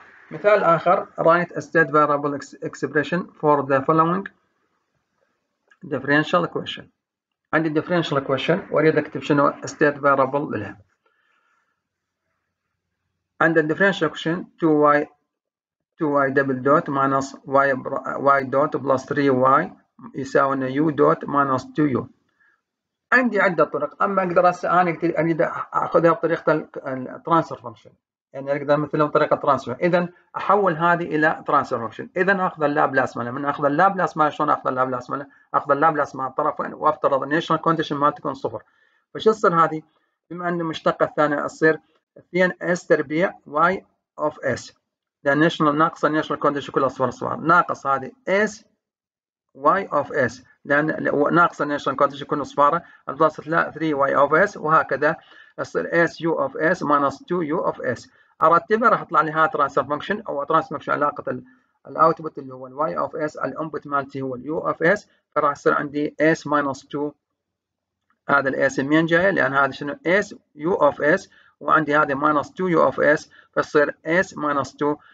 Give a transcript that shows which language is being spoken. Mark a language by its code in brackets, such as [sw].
[ar] مثال اخر [en] write a state variable expression for the following differential equation. [ar] عندي differential equation واريد اكتب شنو state variable لها. عند [en] differential equation 2y double dot minus y dot plus 3y [ar] يساوي [en] u dot minus 2u. [ar] عندي عدة طرق، أما أقدر هسه أنا أريد آخذها بطريقة الترانسفير فانكشن، يعني أقدر مثلا بطريقة الترانسفير، إذا أحول هذه إلى ترانسفير فانكشن، إذا آخذ اللابلاس ماله، من آخذ اللابلاس ماله شلون آخذ اللابلاس ماله؟ آخذ اللابلاس مال الطرفين وأفترض أن الإنيشال كونديشن مالته تكون صفر، فشو تصير هذه؟ بما أن المشتقة الثانية تصير 2 اس تربيع واي أوف اس، لأن الإنيشال ناقص الإنيشال كونديشن كلها صفر صفر، ناقص هذه اس واي أوف اس. لان ناقص النيشنال كونتش يكون صفاره البلس [en] 3 y of s [ar] وهكذا يصير [en] s u of s minus 2 u of s. [ar] ارتبها راح يطلع لي هاي ترانسفر فانكشن او ترانسفر فانكشن علاقه الاوتبوت اللي هو الواي اوف اس، الانبوت مالتي هو اليو اوف اس، فراح يصير عندي اس ماينس 2. هذا الاس منين جاي؟ لان هذا شنو؟ اس يو اوف اس، وعندي هذا ماينس 2 يو اوف اس، فتصير اس ماينس 2.